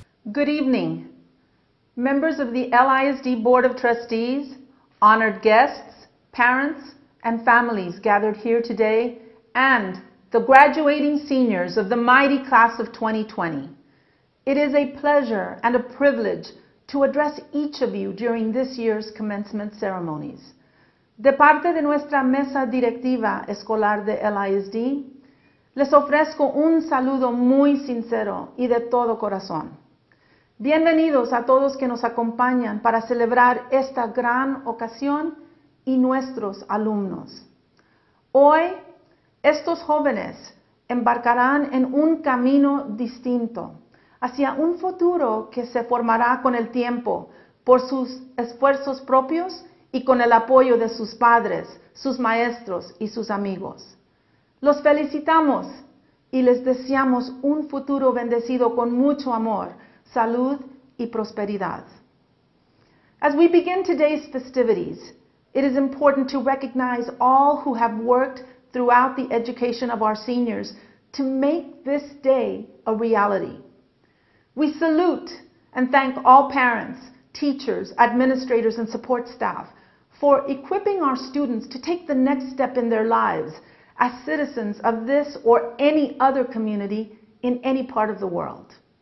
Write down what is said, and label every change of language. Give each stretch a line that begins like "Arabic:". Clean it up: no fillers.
English: Good evening, members of the LISD Board of Trustees, honored guests, parents, and families gathered here today, and the graduating seniors of the mighty class of 2020. It is a pleasure and a privilege to address each of you during this year's commencement ceremonies.
Spanish: De parte de nuestra mesa directiva escolar de LISD, les ofrezco un saludo muy sincero y de todo corazón. Bienvenidos a todos que nos acompañan para celebrar esta gran ocasión y nuestros alumnos. Hoy, estos jóvenes embarcarán en un camino distinto, hacia un futuro que se formará con el tiempo, por sus esfuerzos propios y con el apoyo de sus padres, sus maestros y sus amigos. Los felicitamos y les deseamos un futuro bendecido con mucho amor, salud y prosperidad.
English: As we begin today's festivities, it is important to recognize all who have worked throughout the education of our seniors to make this day a reality. We salute and thank all parents, teachers, administrators, and support staff for equipping our students to take the next step in their lives as citizens of this or any other community in any part of the world.